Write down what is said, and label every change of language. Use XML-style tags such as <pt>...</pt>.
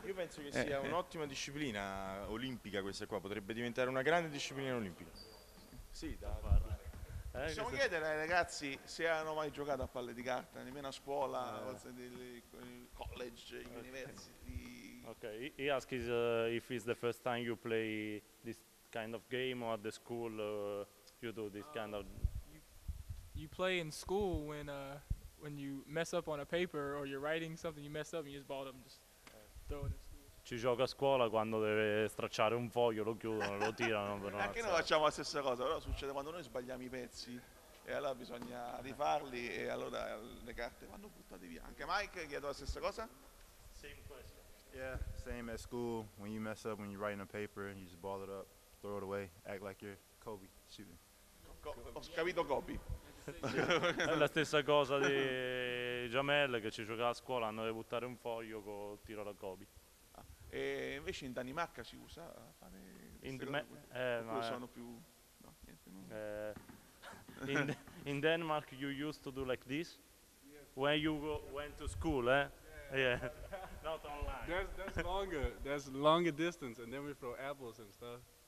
<it>Io penso che sia un'ottima disciplina olimpica questa qua, potrebbe diventare una grande disciplina olimpica. Sì, da parlare. Possiamo chiedere ai ragazzi se hanno mai giocato a palle di carta, nemmeno a scuola, college, university.</it> <en>Okay, he asks if it's the first time you play this kind of game or at the school you do this kind of. You play in school when you mess up on a paper or you're writing something, you mess up and you just ball it up and just throw it in school.</en> <it>Ci gioca a scuola quando deve stracciare un foglio, lo chiudono, lo tirano. Per anche noi facciamo la stessa cosa, però succede quando noi sbagliamo i pezzi e allora bisogna rifarli e allora le carte vanno buttate via. Anche Mike chiede la stessa cosa?</it> <en>Same question. Yeah, same at school. When you mess up, when you're writing a paper, you just ball it up, throw it away, act like you're Kobe shooting.</en> <it>Ho capito Kobe. È la stessa cosa di Jamel che ci giocava a scuola, andava a buttare un foglio con il tiro da Kobe. Ah, e invece in Danimarca si usa a fare</it> <en>in Denmark you used to do like this when you went to school, eh? Yeah. Not online. That's longer distance and then we throw apples and stuff.</en>